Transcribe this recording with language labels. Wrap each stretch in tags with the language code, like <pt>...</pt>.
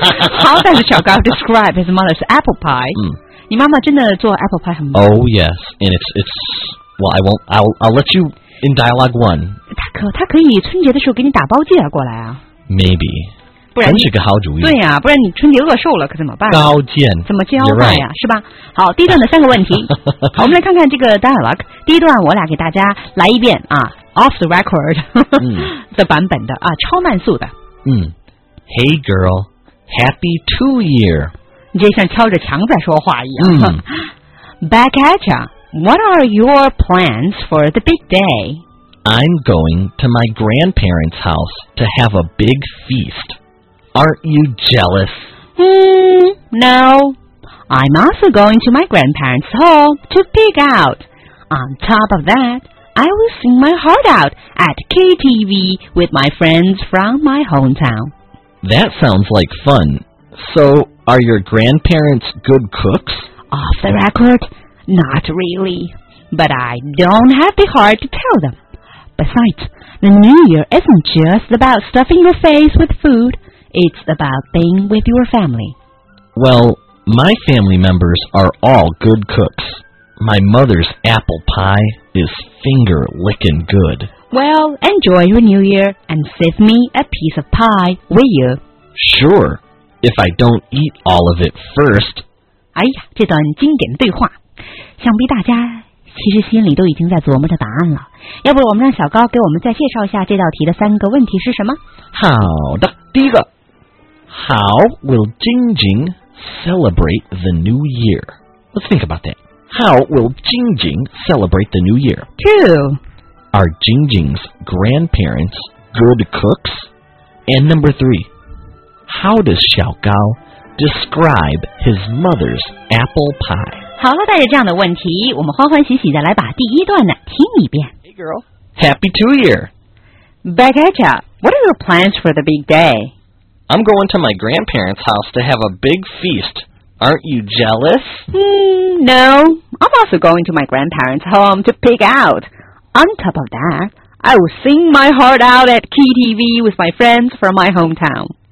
<en>How does 小高 describe his mother's apple pie?、嗯、</en> <zh>你妈妈真的做 apple pie 很棒。</zh> <en>Oh, yes. And it's, well, I won't, I'll let you... In dialogue one,</en> <zh>他可以春节的时候给你打包寄过来啊。</zh> <en>Maybe,</en> <zh>不然是个好主意。对呀、啊，不然你春节饿瘦了可怎么办？高见，怎么交代呀、啊？是吧？好，第一段的三个问题，好，我们来看看这个 dialogue。第一段我俩给大家来一遍啊 ，</zh> <en>off the record</en> <zh>的版本的啊，超慢速的。</zh> <en>嗯 ，Hey girl, happy 2 year。</en> <zh>你这像敲着墙在说话一样。嗯、</zh> <en>Back at ya. What are your plans for the big day? I'm going to my grandparents' house to have a big feast. Aren't you jealous? No. I'm also going to my grandparents' home to pig out. On top of that, I will sing my heart out at KTV with my friends from my hometown. That sounds like fun. So, are your grandparents good cooks? Off the record... Not really, but I don't have the heart to tell them. Besides, the New Year isn't just about stuffing your face with food. It's about being with your family. Well, my family members are all good cooks. My mother's apple pie is finger-licking good. Well, enjoy your New Year and save me a piece of pie, will you? Sure, if I don't eat all of it first.</en> <zh>哎呀，这段经典对话。想必大家其实心里都已经在琢磨着答案了，要不我们让小高给我们再介绍一下这道题的三个问题是什么。好的，第一个</zh> <en>How will Jingjing celebrate the new year? Let's think about that. How will Jingjing celebrate the new year? Two, are Jingjing's grandparents good cooks? And number three, how does 小高 describe his mother's apple pie?</en> <zh>好了，带着这样的问题，我们欢欢喜喜的来把第一段呢听一遍。</zh> <en>Hey girl, happy 2 year. Back at ya. What are your plans for the big day? I'm going to my grandparents' house to have a big feast. Aren't you jealous? No. I'm also going to my grandparents' home to pig out. On top of that, I will sing my heart out at KTV with my friends from my hometown.</en>